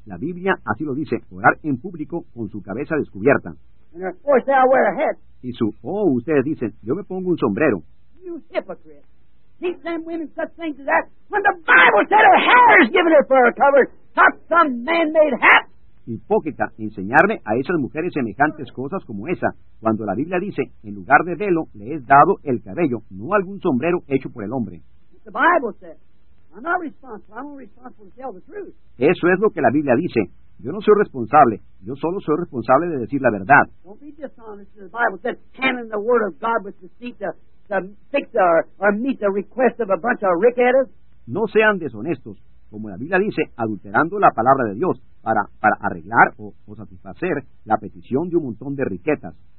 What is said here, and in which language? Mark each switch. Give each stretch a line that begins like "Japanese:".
Spanish: La Biblia así lo dice, orar en público con su cabeza descubierta.
English: And of course they'll wear a hat.
Spanish: Y su, oh, ustedes dicen, yo me pongo un sombrero.
English: You hypocrite. Teach them women such things as that. When the Bible said her hair is given her for a cover, not some man-made hat.
Spanish: Hipócrita, enseñarle a esas mujeres semejantes cosas como esa, cuando la Biblia dice, en lugar de velo, le es dado el cabello, no algún sombrero hecho por el hombre.
English: The Bible says, I'm not responsible. I'm responsible to tell the truth.
Spanish: Eso es lo que la Biblia dice. Yo no soy responsable. Yo solo soy responsable de decir la verdad.
English: Don't be dishonest. The Bible says, canon the word of God with deceit to fix or meet the request of a bunch of rickheaders.
Spanish: No sean deshonestos. Como la Biblia dice, adulterando la palabra de Dios para arreglar o satisfacer la petición de un montón de riquetas.